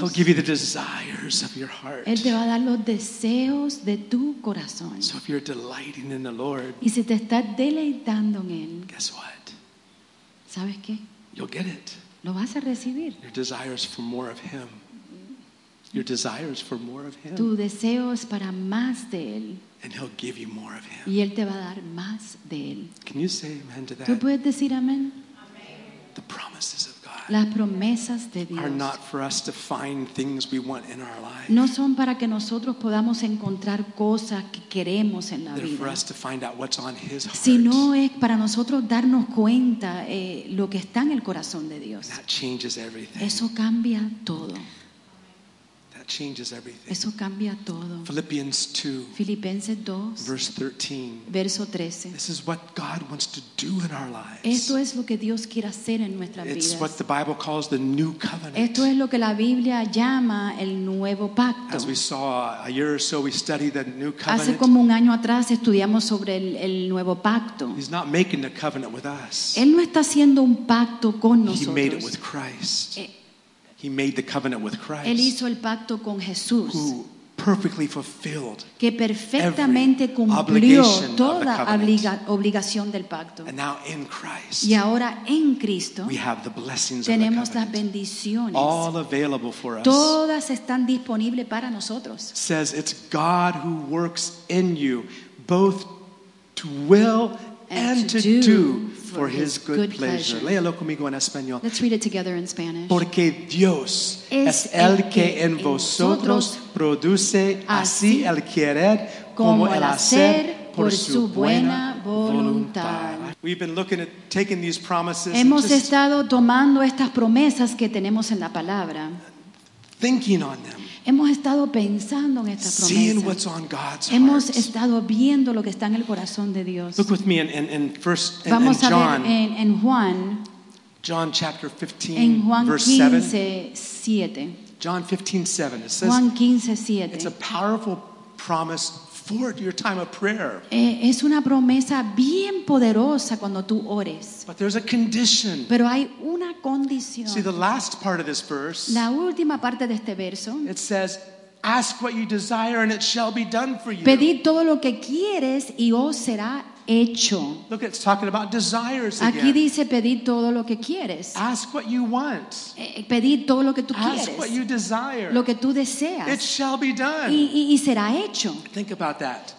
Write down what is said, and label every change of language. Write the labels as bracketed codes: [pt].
[en] He'll give you the desires of your heart. [es] Él te va a dar los deseos de tu corazón. [en] So if you're delighting in the Lord, [es] y si te estás deleitando en él, [en] guess what? [es] ¿Sabes qué? [en] You'll get it. [es] Lo vas a recibir. [en] Your desires for more of him. Your desires for more of him. [es] Tu deseo es para más de él. [en] And he'll give you more of him. [es] Y él te va a dar más de él. [en] Can you say amen to that? [es] ¿Tú puedes decir amén? [en] The promises of God. [es] Las promesas de Dios. [en] Are not for us to find things we want in our life. [es] No son para que nosotros podamos encontrar cosas que queremos en la [en] They're [es] vida. [en] For us to find out what's on his heart. [es] Sino es para nosotros darnos cuenta lo que está en el corazón de Dios. [en] That changes everything. [es] Eso cambia todo. [en] Changes everything. [es] Eso cambia todo. [en] Philippians 2, [es] Filipenses 2, [en] verse 13. [es] Verso 13. [en] This is what God wants to do in our lives. [es] Esto es lo que Dios quiere hacer en nuestras [en] It's [es] vidas. [en] What the Bible calls the new covenant. [es] Esto es lo que la Biblia llama el nuevo pacto. [en] As we saw a year or so, we studied the new covenant. [es] Hace como un año atrás estudiamos sobre el nuevo pacto. [en] He's not making the covenant with us. [es] Él no está haciendo un pacto con nosotros. [en] He made it with Christ. He made the covenant with Christ. [es] Él hizo el pacto con Jesús. [en] Who perfectly fulfilled [es] que perfectamente cumplió toda obligación del pacto. [en] And now in Christ, [es] y ahora en Cristo [en] we have the blessings [es] tenemos [en] of the covenant, [es] las bendiciones. [en] All available for us. [es] Todas están disponibles para nosotros. [en] Says it's God who works in you both to will and to do for his good pleasure. [es] Léalo conmigo en español. [en] Let's read it together in Spanish. [es] Porque Dios es el que en vosotros produce así el querer como el hacer por su buena voluntad. [en] We've been looking at taking these promises. [es] Hemos estado tomando estas promesas que tenemos en la palabra. [en] Thinking on them. [es] Hemos estado pensando en estas promesas. [en] Seeing what's on God's heart. [es] Hemos estado viendo lo que está en el corazón de Dios. [en] Look with me in first in, [es] Vamos [en] in John. [es] A ver en Juan. [en] John chapter 15, [es] en Juan [en] verse 7. John 15:7. It says [es] Juan 15:7. [en] It's a powerful promise for your time of prayer. [es] Es una promesa bien poderosa cuando tú ores. [en] But there's a condition. [es] Pero hay una condición. [en] See the last part of this verse. [es] La última parte de este verso. [en] It says, "Ask what you desire, and it shall be done for you." [es] Pedid todo lo que quieres y os será hecho. [en] Look, it's talking about desires again. [es] Aquí dice pedir todo lo que quieres. [en] Ask what you want. [es] Pedir todo lo que tú [en] Ask [es] quieres. [en] Ask what you desire. [es] Lo que tú deseas. [en] It shall be done. [es] Y será hecho. [en] Think about that.